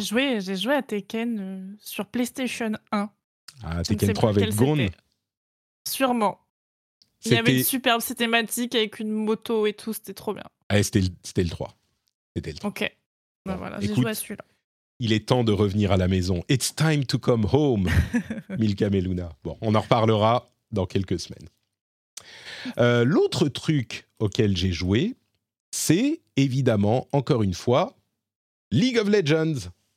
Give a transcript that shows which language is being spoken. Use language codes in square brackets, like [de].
[fr] J'ai joué à Tekken sur PlayStation 1. Ah, je Tekken 3 avec Gon. Sûrement. C'était... Il y avait une superbe cinématique avec une moto et tout, c'était trop bien. Ah, c'était le 3. C'était le 3. Ok, bon, ben voilà, j'ai joué à celui-là. Il est temps de revenir à la maison. [en] It's time to come home, Milka Meluna. [fr] Bon, on en reparlera dans quelques semaines. L'autre truc auquel j'ai joué, c'est évidemment, encore une fois, League of Legends.